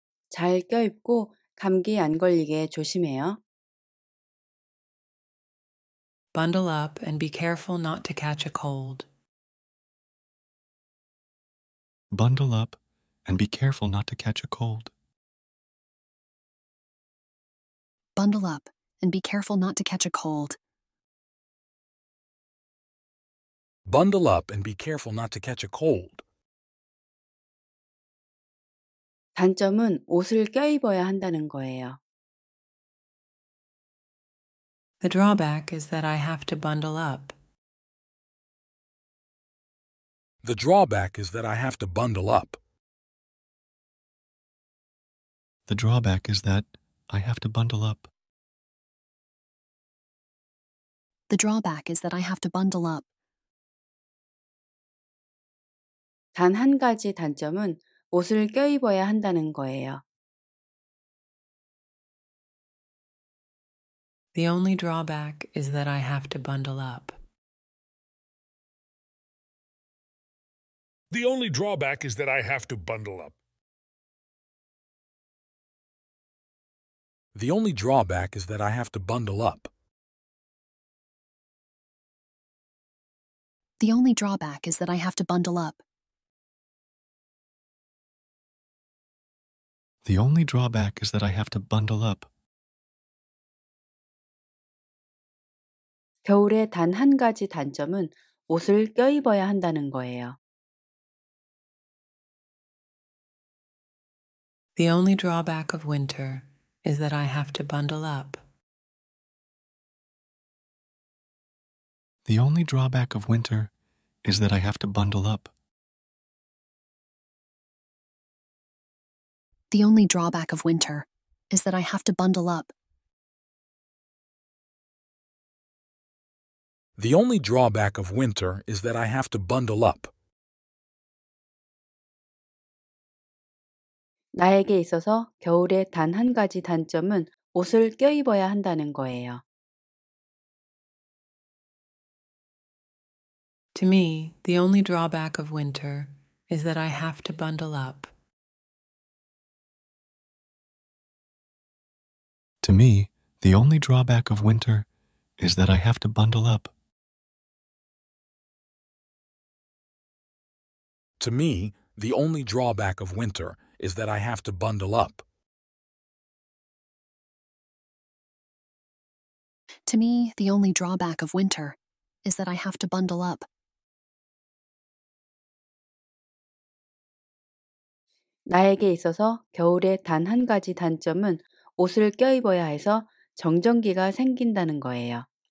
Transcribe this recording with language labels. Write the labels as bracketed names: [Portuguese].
[Korean] 잘 껴입고 감기 안 걸리게 조심해요. [English] Bundle up and be careful not to catch a cold. Bundle up and be careful not to catch a cold. Bundle up and be careful not to catch a cold. Bundle up and be careful not to catch a cold. [Korean] 단점은 옷을 껴입어야 한다는 거예요. [English] The drawback is that I have to bundle up. The drawback is that I have to bundle up. The drawback is that I have to bundle up. The drawback is that I have to bundle up. [Korean] 단 한 가지 단점은 옷을 껴입어야 한다는 거예요. [English] The only drawback is that I have to bundle up. The only drawback is that I have to bundle up. The only drawback is that I have to bundle up. The only drawback is that I have to bundle up. The only drawback is that I have to bundle up. [Korean] 겨울의 단 한 가지 단점은 옷을 껴입어야 한다는 거예요. [English] The only drawback of winter is that I have to bundle up. The only drawback of winter is that I have to bundle up. The only drawback of winter is that I have to bundle up. The only drawback of winter is that I have to bundle up. [Korean] 나에게 있어서 겨울의 단 한 가지 단점은 옷을 껴입어야 한다는 거예요. [English] To me, the only drawback of winter is that I have to bundle up. To me, the only drawback of winter is that I have to bundle up. To me, the only drawback of winter is that I have to bundle up. To me, the only drawback of winter is that I have to bundle up. [Korean] 나에게 있어서 겨울의 단 한 가지 단점은 옷을 껴입어야 해서 정전기가 생긴다는 거예요.